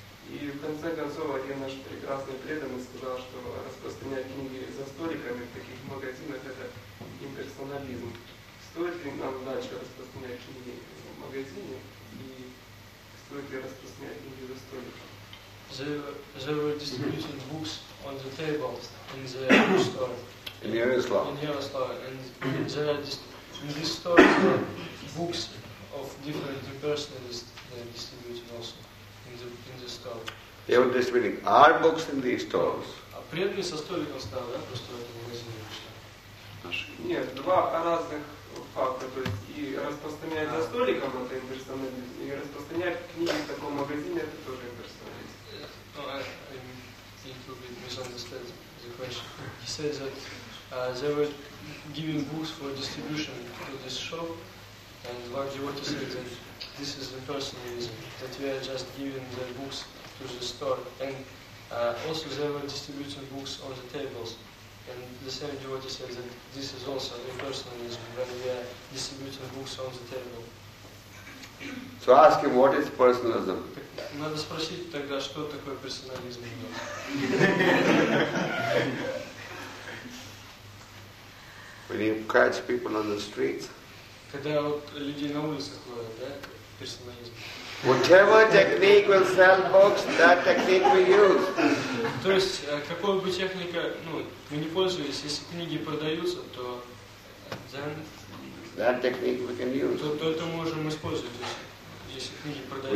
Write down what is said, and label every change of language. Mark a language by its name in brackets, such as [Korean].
[Russian] И в конце концов один наш прекрасный преданный сказал, что распространять книги за столиками в таких магазинах это имперсонализм. Стоит ли нам дальше распространять книги в магазине и стоит ли распространять книги за столиками? [English] They were distributing books on the tables in the bookstore. In Yaroslav. In Yaroslav. And they are in this store books of different impersonalists they are distributing also in the store. They were distributing our books in these stores. [Russian] А преданный со столиком стал, да, просто в этом магазине вышло. Нет, 2 разных факта. То есть и распространять за столиком это имперсонализм, и распространять книги в таком магазине это тоже имперсонализм. [English] No, I think you'll be misunderstood the question. said that they were giving books for distribution to this shop, and one devotee said that this is the personal reason, that we are just giving the books to the store. And also they were distributing books on the tables. And the same devotee said that this is also the personal reason, when we are distributing books on the table. So ask him, what is personalism? [Russian] Надо спросить тогда, что такое персонализм. [English] When you catch people on the streets. [Russian] Когда вот людей на улицах ловят, да, персонализм. [English] Whatever technique will sell books, that technique we use. [Russian] То есть какой бы техника, ну, мы не пользуемся, если книги продаются, то then [English] that technique we can use. [Russian] То это можем использовать, если книги продаются.